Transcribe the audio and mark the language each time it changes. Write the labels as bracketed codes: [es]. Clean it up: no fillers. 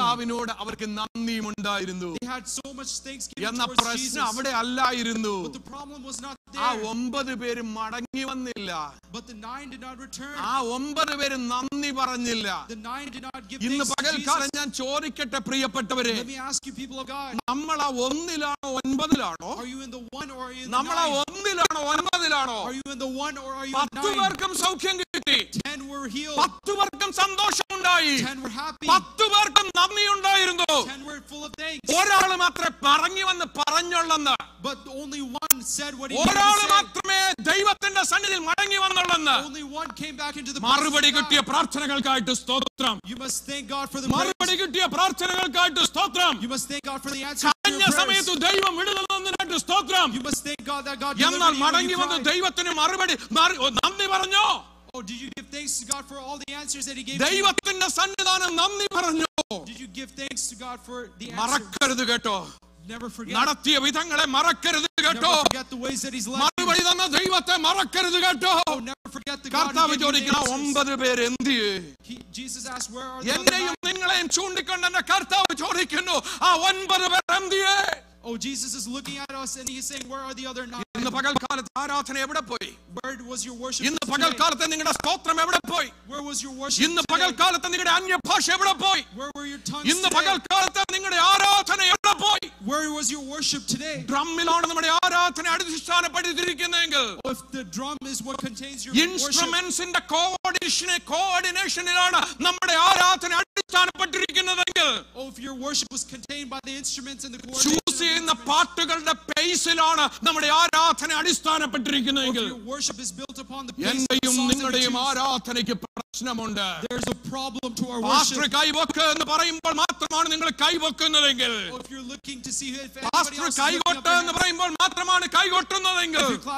[ml] കർത്താവിനോട് അവർക്ക് നന്ദിയും ഉണ്ടായിരുന്നു. [en] They had so much thanksgiving towards Jesus. [ml] എന്ന പ്രശ്നം അവിടെ അല്ലായിരുന്നു. [en] But the problem was not there. [ml] ആ 9 പേരും മടങ്ങി വന്നില്ല. [en] But the 9 did not return. [ml] ആ 9 പേരും നന്ദി പറഞ്ഞില്ല. [en] The 9 did not give [ml] ഇന്ന് [en] thanks to Jesus. [ml] ഇന്ന് പകൽക്കാലം ഞാൻ ചോദിക്കട്ടെ പ്രിയപ്പെട്ടവരെ. [en] Let me ask you people of God. [ml] നമ്മൾ ആ 1-ലാണോ 9-ലാണോ? [en] Are you in the 1 or are you in the [ml] 9? നമ്മൾ ആ 1-ലാണോ 9-ലാണോ? [en] Are you in the 1 or are you in the [ml] 9? 10 പേർക്കും സൗഖ്യം കിട്ടി. [en] 10 were healed. [ml] 10 പേർക്കും സന്തോഷം ഉണ്ടായി. [en] 10 were happy. [ml] 10 പേർക്കും നന്ദി ഉണ്ടായിരുന്നു. [en] 10 were full of thanks. [ml] ഒരാൾ മാത്രമേ പറഞ്ഞു വന്ന് പറഞ്ഞുള്ളെന്ന്. [en] But only one said what he said. [ml] ഒരാൾ മാത്രമേ ദൈവത്തിന്റെ സന്നിധിയിൽ മടങ്ങി വന്നുള്ളെന്ന്. [en] Only one came back into the [ml] മറുപടി കിട്ടിയ പ്രാർത്ഥനകൾക്കായിട്ട് സ്തോത്രം. [en] You must thank God for the [ml] മറുപടി കിട്ടിയ പ്രാർത്ഥനകൾക്കായിട്ട് സ്തോത്രം. [en] You must thank God for the answer. [ml] സമയത്ത് ദൈവം വിടുതൽ തന്നതിനായിട്ട് സ്തോത്രം. [en] You must thank God that God delivered. [ml] എന്നാൽ മടങ്ങി വന്ന് ദൈവത്തിന് മറുപടി നന്ദി പറഞ്ഞു. [en] Oh, did you give thanks to God for all the answers that he gave? [ml] ദൈവത്തിന്റെ സന്നിധാനം നന്ദി പറഞ്ഞു. [en] Did you give thanks to God for the answers? [ml] മറക്കരുത് കേട്ടോ. [en] Never forget. [ml] നടത്തിയ വിധങ്ങളെ മറക്കരുത് കേട്ടോ. [en] Never forget the ways that he's led. [ml] മറുപടി തന്ന ദൈവത്തെ മറക്കരുത് കേട്ടോ. [en] Oh, never forget the God. [ml] കർത്താവ് ചോദിക്കുന്ന 9 പേർ എന്തി? [en] Jesus asked, where are the 9? [ml] എന്നെയും നിങ്ങളെയും ചൂണ്ടിക്കൊണ്ടെന്ന് കർത്താവ് ചോദിക്കുന്നു. ആ 9 പേർ എന്തി? [en] Oh, Jesus is looking at us and he's saying, where are the other 9? [ml] ഇന്ന് പകൽക്കാലത്ത് ആരാധന എവിടെ പോയി? [en] Where was your worship? [ml] ഇന്ന് പകൽക്കാലത്ത് നിങ്ങളുടെ സ്തോത്രം എവിടെ പോയി? [en] Where was your worship? [ml] ഇന്ന് പകൽക്കാലത്ത് നിങ്ങളുടെ അന്യഭാഷ എവിടെ പോയി? [en] Where were your tongues? [ml] ഇന്ന് പകൽക്കാലത്ത് നിങ്ങളുടെ ആരാധന എവിടെ പോയി? [en] Where was your worship today? [ml] ഡ്രമ്മിലാണ് നമ്മുടെ ആരാധന അടിസ്ഥാനപ്പെട്ടിരിക്കുന്നതെങ്കിൽ. [en] If the drum is what contains your instruments in the coordination [ml] നമ്മുടെ ആരാധന അടിസ്ഥാനപ്പെട്ടിരിക്കുന്നതെങ്കിൽ. [en] Oh, if your worship was contained by the instruments in the coordination. [ml] ചൂസിയുന്ന പാട്ടുകളുടെ പേസിലാണ് നമ്മുടെ ആരാധന അടിസ്ഥാനപ്പെട്ടിരിക്കുന്നതെങ്കിൽ. എന്റെയും നിങ്ങളുടെയും ആരാധനയ്ക്ക് പ്രശ്നമുണ്ട്. പാസ്റ്റർ കൈവെക്കുക എന്ന് പറയുമ്പോൾ മാത്രമാണ് നിങ്ങൾ കൈവെക്കുന്നതെങ്കിൽ. പാസ്റ്റർ കൈകൊട്ട എന്ന് പറയുമ്പോൾ മാത്രമാണ് കൈകൊട്ടുന്നതെങ്കിൽ.